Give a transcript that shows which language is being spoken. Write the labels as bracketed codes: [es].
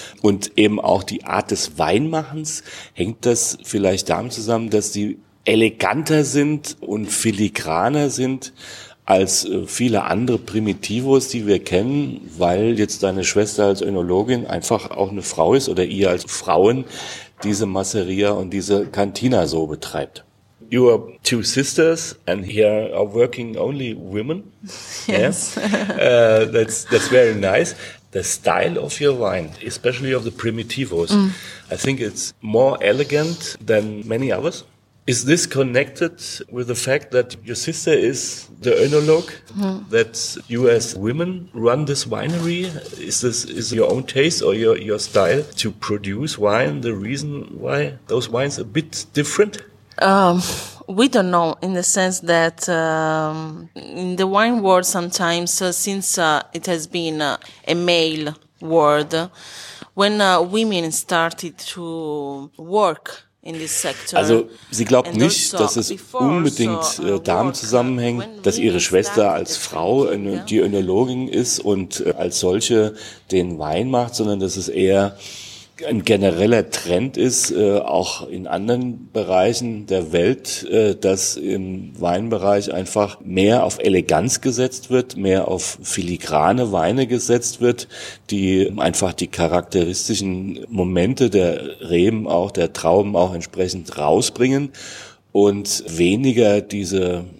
[de] Und eben auch die Art des Weinmachens, hängt das vielleicht damit zusammen, dass die eleganter sind und filigraner sind als viele andere Primitivos, die wir kennen, weil jetzt deine Schwester als Önologin einfach auch eine Frau ist oder ihr als Frauen diese Masseria und diese Cantina so betreibt. [en] You are two sisters and here are working only women. Yes. That's very nice. The style of your wine, especially of the Primitivos, I think it's more elegant than many others. Is this connected with the fact that your sister is the oenologue, that you as women run this winery? Is your own taste or your style to produce wine the reason why those wines are a bit different? We don't know, in the sense that in the wine world sometimes, since it has been a male world, when women started to work in this sector. [de] Also sie glaubt nicht, dass es unbedingt damit zusammenhängt, dass ihre Schwester als Frau die Önologin ist und als solche den Wein macht, sondern dass es eher ein genereller Trend ist, auch in anderen Bereichen der Welt, dass im Weinbereich einfach mehr auf Eleganz gesetzt wird, mehr auf filigrane Weine gesetzt wird, die einfach die charakteristischen Momente der Reben auch, der Trauben auch entsprechend rausbringen und weniger diese